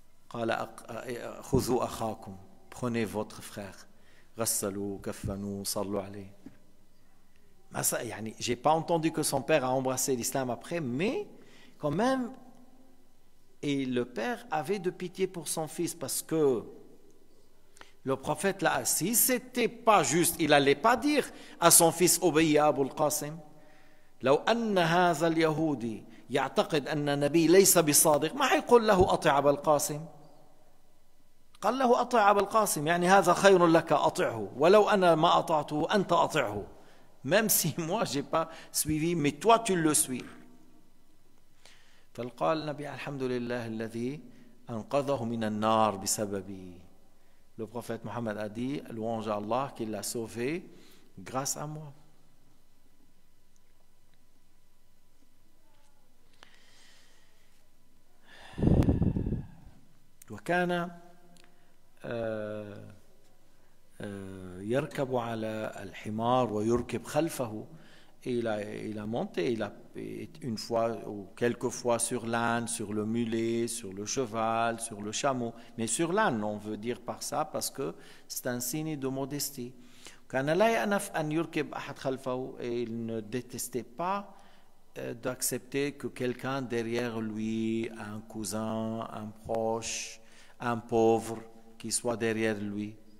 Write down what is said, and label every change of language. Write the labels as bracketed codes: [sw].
[ar] قال خذوا اخاكم, [fr] prenez votre frère, [ar] غسلوا كفنوا صلوا عليه. [fr] J'ai pas entendu que son père a embrassé l'islam après, mais quand même, et le père avait de pitié pour son fils, parce que le prophète là, si c'était pas juste, il allait pas dire à son fils obéis à Abu al-Qasim. [ar] لو أن هذا اليهودي يعتقد أن النبي ليس بصادق ما يقول له أطع أبو القاسم. قال له أطع أبو القاسم, يعني هذا خير لك أطعه, ولو أنا ما أطعته أنت أطعه. [fr] Même si moi j'ai pas suivi, mais toi tu le suis. [ar] فالقال نبي الحمد لله الذي أنقذه من النار بسببي. [fr] Le prophète Mohammed a dit louange à Allah qui l'a sauvé grâce à moi. [ar] وكان يركب على الحمار ويركب خلفه. [fr] Il a monté, il a une fois ou quelques fois sur l'âne, sur le mulet, sur le cheval, sur le chameau, mais sur l'âne, on veut dire par ça parce que c'est un signe de modestie. [ar] كان لا يأنف أن يركب أحد خلفه. [fr] Et il ne détestait pas d'accepter que quelqu'un derrière lui, un cousin, un proche, un pauvre, qui soit derrière lui.